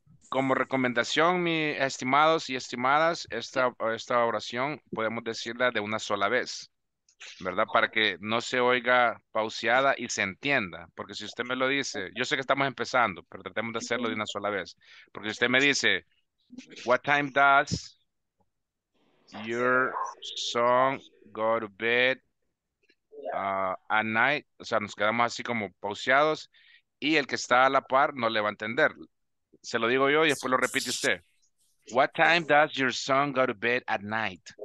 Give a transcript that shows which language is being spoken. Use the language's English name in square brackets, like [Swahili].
[Spanish] Como recomendación, mis estimados y estimadas, esta oración podemos decirla de una sola vez, ¿verdad? Para que no se oiga pauseada y se entienda. Porque si usted me lo dice, yo sé que estamos empezando, pero tratemos de hacerlo de una sola vez. Porque si usted me dice, [English] what time does your son go to bed at night? [Spanish] O sea, nos quedamos así como pauseados y el que está a la par no le va a entender. Se lo digo yo y después lo repite usted. [English] What time does your son go to bed at night?